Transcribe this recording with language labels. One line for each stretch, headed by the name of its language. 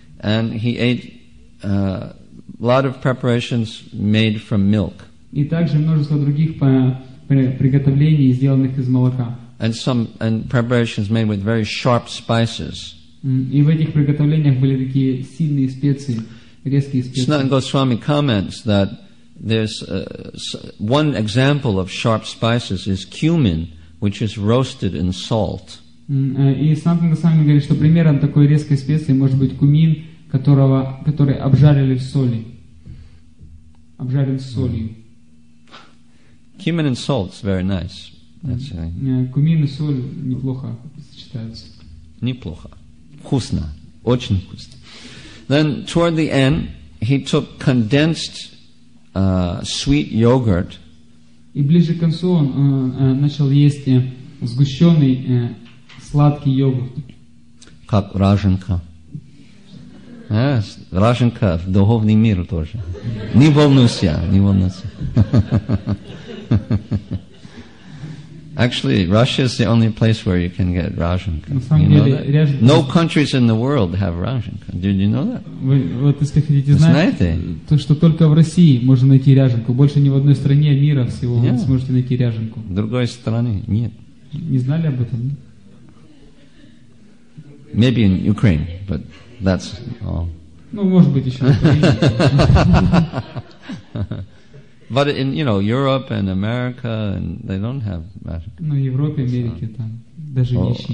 English: And he ate a lot of preparations made from milk.
Russian: И также множество других приготовлений, сделанных из молока.
English: And preparations made with very sharp spices.
Russian: И в этих приготовлениях были такие сильные специи, резкие специи.
English: Snatan Goswami comments that there's one example of sharp spices is cumin, which is roasted in salt.
Russian: И Снатан Госвами говорит, что примером такой резкой специи может быть кумин, который обжарили в соли. Обжарен с солью.
English: Cumin and salt is very nice.
Russian: Кумин и соль неплохо сочетаются. Неплохо. Вкусно. Очень вкусно.
English: Then toward the end, he took condensed sweet yogurt.
Russian: И ближе к концу он начал есть сгущенный сладкий йогурт. Как раженка. Раженка в духовный мир тоже. Не волнуйся, не волнуйся.
English: Actually, Russia is the only place where you can get rajanka. No countries in the world have rajanka. Did you know that?
Russian: Вот если хотите знать, то что только в России можно найти ряженку. Больше ни в одной стране мира всего вы сможете найти ряженку. Другой страны нет. Не знали об этом?
English: Maybe in Ukraine, but that's all.
Russian: Ну, может быть еще.
English: But in, you know, Europe and America, and they don't have magic.
Russian: Ну, в Европе, Америке там даже не ищи.